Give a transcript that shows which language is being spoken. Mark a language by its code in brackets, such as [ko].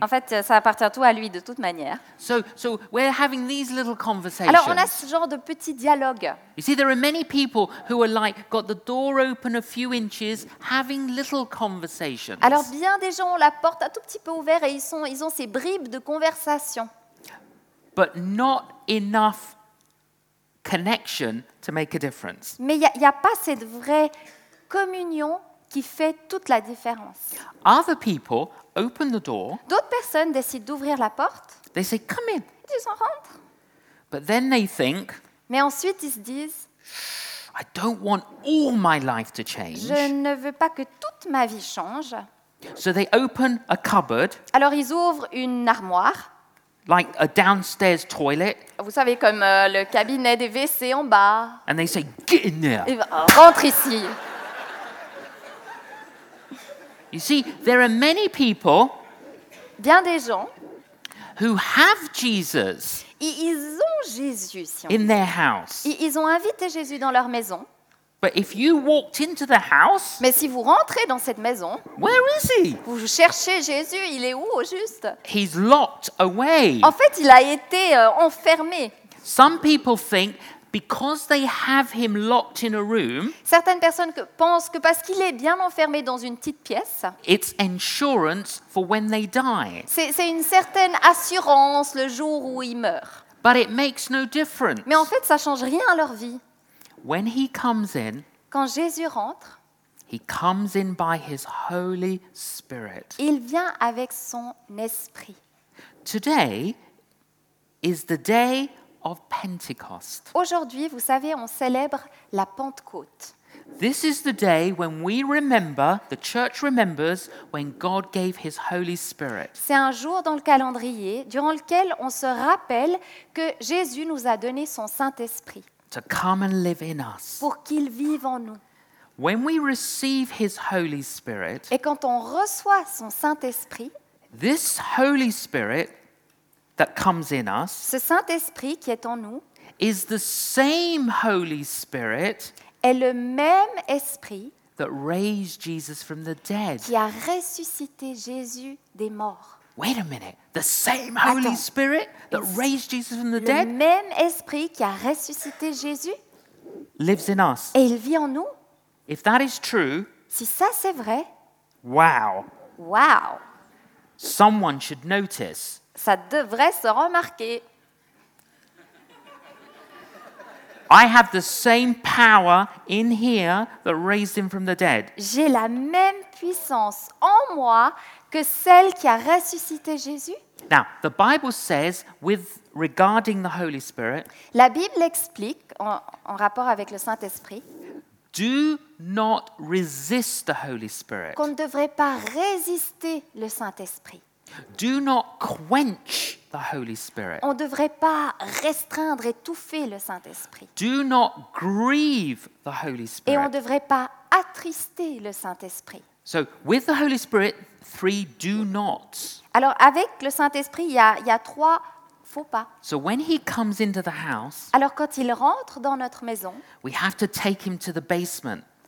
[fr] En fait, ça appartient tout à lui de toute manière. [en] So we're having these little conversations. [fr] Alors, on a ce genre de petits dialogues. [en] You see, there are many people who are like got the door open a few inches, having little conversations. [fr] Alors, bien des gens ont la porte un tout petit peu ouverte et ils ont ces bribes de conversation. [en] But not enough connection to make a difference. [fr] Mais il y a pas cette vraie communion qui fait toute la différence. [en] Other people open the door. [fr] D'autres personnes décident d'ouvrir la porte. [en] They say, "Come in." [fr] Ils en rentrent. [en] But then they think. [fr] Mais ensuite ils se disent. [en] I don't want all my life to change. [fr] Je ne veux pas que toute ma vie change. [en] So they open a cupboard. [fr] Alors ils ouvrent une armoire. [en] Like a downstairs toilet. [fr] Vous savez comme le cabinet des WC en bas. [en] And they say, "Get in there." [fr] Et rentre ici. [en] You see, there are many people. [fr] Bien des gens. [en] Who have Jesus. [fr] Ils ont Jésus. Si on [en] in their house. [fr] Ils ont invité Jésus dans leur maison. [en] But if you walked into the house. [fr] Mais si vous rentrez dans cette maison. [en] Where is he? [fr] Vous cherchez Jésus. Il est où au juste? [en] He's locked away. [fr] En fait, il a été enfermé. [en] Some people think because they have him locked in a room, [fr] certaines personnes pensent que parce qu'il est bien enfermé dans une petite pièce, [en] it's insurance for when they die. [fr] C'est une certaine assurance le jour où il meurt. [en] But it makes no difference. [fr] Mais en fait, ça change rien à leur vie. [en] When he comes in, [fr] quand Jésus rentre, [en] he comes in by his Holy Spirit. [fr] Il vient avec son esprit. [en] Today is the day of Pentecost. [fr] Aujourd'hui, vous savez, on célèbre la Pentecôte. [en] This is the day when we remember, the church remembers, when God gave his Holy Spirit. [fr] C'est un jour dans le calendrier durant lequel on se rappelle que Jésus nous a donné son Saint-Esprit. [en] To come and live in us. [fr] Pour qu'il vive en nous. [en] When we receive his Holy Spirit, [fr] et quand on reçoit son Saint-Esprit, [en] this Holy Spirit that comes in us, [fr] ce Saint-Esprit qui est en nous, [en] is the same Holy Spirit, [fr] est le même Esprit [en] that raised Jesus from the dead, [fr] qui a ressuscité Jésus des morts. [en] Wait a minute, the same Holy [fr] Attends. [en] Spirit that raised Jesus from the dead, [fr] le même Esprit qui a ressuscité Jésus, [en] lives in us, [fr] et il vit en nous. [en] If that is true, [fr] si ça c'est vrai, [en] wow, [fr] wow, [en] someone should notice. [fr] Ça devrait se remarquer. [en] I have the same power in here that raised him from the dead. [fr] J'ai la même puissance en moi que celle qui a ressuscité Jésus. [en] Now, the Bible says with regarding the Holy Spirit. [fr] La Bible explique en rapport avec le Saint-Esprit. [en] Do not resist the Holy Spirit. [fr] Qu'on ne devrait pas résister le Saint-Esprit. [en] Do not quench the Holy Spirit. [fr] On ne devrait pas restreindre, étouffer le Saint-Esprit. [en] Do not grieve the Holy Spirit. [fr] Et on ne devrait pas attrister le Saint-Esprit. [en] So, with the Holy Spirit, three do nots. [fr] Alors, avec le Saint-Esprit, il y a trois faux pas. [en] So when he comes into the house, [fr] alors, quand il rentre dans notre maison, [en] we have to take him to the basement.